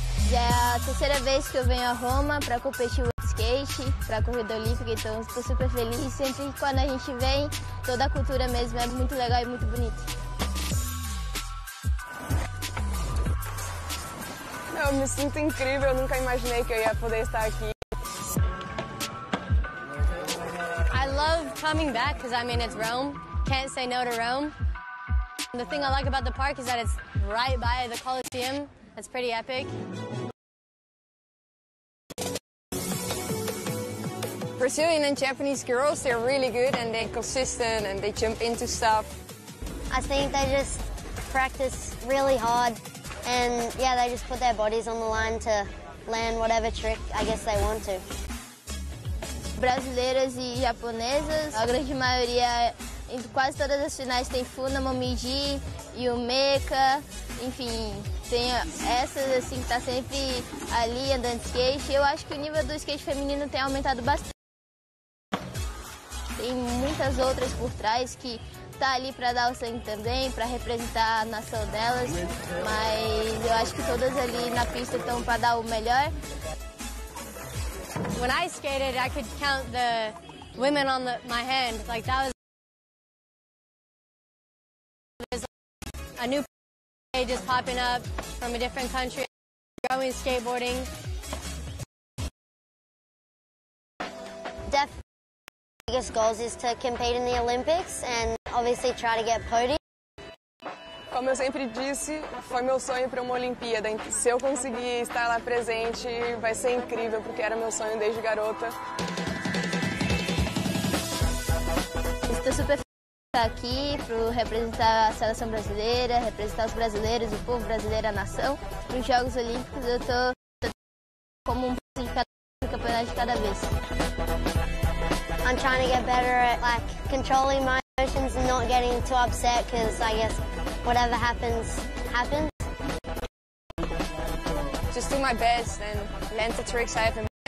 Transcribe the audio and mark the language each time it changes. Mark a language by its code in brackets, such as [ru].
[pt] Já é a terceira vez que eu venho a Roma para competir no skate, para a corrida olímpica, então estou super feliz. Sempre quando a gente vem, toda a cultura mesmo é muito legal e muito bonita. Eu me sinto incrível, eu nunca imaginei que eu ia poder estar aqui. [en] I love coming back, because I mean, it's Rome. Can't say no to Rome. The thing I like about the park is that it's right by the Colosseum. That's pretty epic. Brazilian and Japanese girls, they're really good and they're consistent and they jump into stuff. I think they just practice really hard, and yeah, they just put their bodies on the line to land whatever trick I guess they want to. [pt] Brasileiras e japonesas, a grande maioria, em quase todas as finais tem Funa, Momiji, Yumeka, enfim. Tem essas assim que tá sempre ali andando skate. Eu acho que o nível do skate feminino tem aumentado bastante. Tem muitas outras por trás que tá ali para dar o sangue também, para representar a nação delas, mas eu acho que todas ali na pista estão para dar o melhor. [en] When I skated, I could count the women on my hand. Like that was a new age just popping up from a different country, growing skateboarding. My biggest goals is to compete in the Olympics and obviously try to get podium. [pt] Como eu sempre disse, foi meu sonho para uma Olimpíada. Se eu conseguir estar lá presente, vai ser incrível, porque era meu sonho desde garota. Estou super feliz de estar aqui para representar a seleção brasileira, representar os brasileiros, o povo brasileiro, a nação. Nos Jogos Olímpicos, eu estou como um pouco de cada vez, um campeonato de cada vez. [en] I'm trying to get better at like controlling my emotions and not getting too upset, because I guess whatever happens, happens. Just do my best and learn the tricks I have in mind.